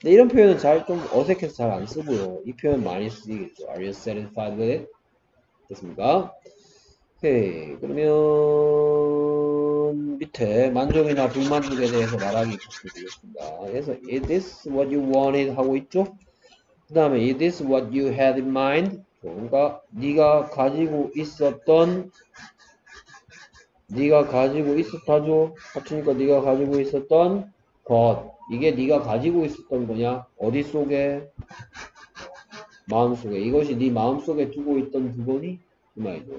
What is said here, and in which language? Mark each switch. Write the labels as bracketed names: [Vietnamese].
[Korean] 네, 이런 표현은 잘 좀 어색해서 잘 안 쓰고요. 이 표현 많이 쓰이겠죠. [English] Are you satisfied with it? [Korean] 됐습니까? 오케이. 그러면 밑에 만족이나 불만족에 대해서 말하기 부탁드리겠습니다. 그래서 [English] Is this what you wanted? [Korean] 하고 있죠. 그 다음에 [English] Is this what you had in mind? [Korean] 뭔가 네가 가지고 있었던 네가 가지고 있었다죠. 합치니까 네가 가지고 있었던 것. 이게 네가 가지고 있었던 거냐? 어디 속에? 마음 속에. 이것이 네 마음 속에 두고 있던 부분이 그 말이죠.